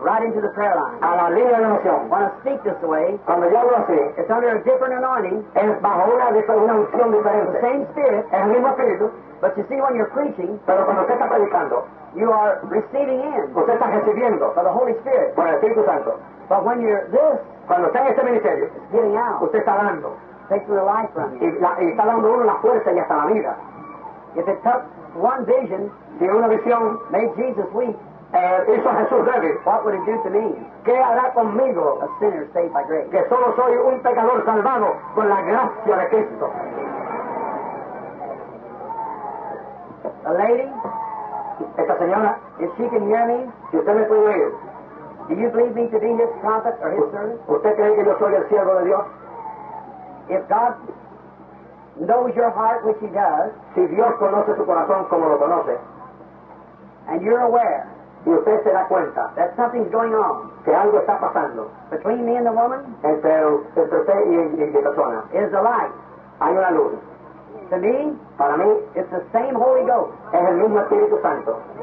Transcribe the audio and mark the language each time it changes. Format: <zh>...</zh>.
<en>Right into the prayer line.</en> <es>A la línea de oración.</es> <en>When I speak this way.</en> <es>Cuando yo hablo así.</es> <en>It's under a different anointing.</en> <es>Es bajo una unción diferente.</es> <en>The same spirit.</en> <es>El mismo espíritu.</es> <en>But you see, when you're preaching,</en> <es>pero cuando usted está predicando,</es> <en>you are receiving in.</en> <es>Usted está recibiendo.</es> <en>By the Holy Spirit.</en> <es>Por el Espíritu Santo.</es> <en>But when you're this.</en> <es>Cuando está en este ministerio.</es> <en>It's getting out.</en> <es>Usted está dando.</es> <en>Takes the life from you.</en> <es>Y está dando uno la fuerza y hasta la vida.</es> <en>If it took one vision,</en> <es>si una visión</es> <en>made Jesus weak,</en> <es>hizo a Jesús débil,</es> <en>what would it do to me?</en> <es>¿Qué hará conmigo?</es> <en>A sinner saved by grace.</en> <es>Que solo soy un pecador salvado por la gracia de Cristo.</es> <en>A lady,</en> <es>esta señora,</es> <en>if she can hear me,</en> <es>si usted me puede oír,</es> <en>do you believe me to be his prophet or his servant?</en> <es>¿Usted cree que yo soy el siervo de Dios?</es> <en>If God knows your heart, which He does,</en> <es>si Dios conoce tu corazón como lo conoce,</es> <en>and you're aware,</en> <es>y usted se da cuenta,</es> <en>that something's going on,</en> <es>que algo está pasando,</es> <en>between me and the woman,</en> <es>entre usted y la persona,</es> <en>is the light,</en> <es>hay una luz.</es> <en>To me,</en> <es>para mí,</es> <en>it's the same Holy Ghost,</en> <es>es el mismo Espíritu Santo,</es>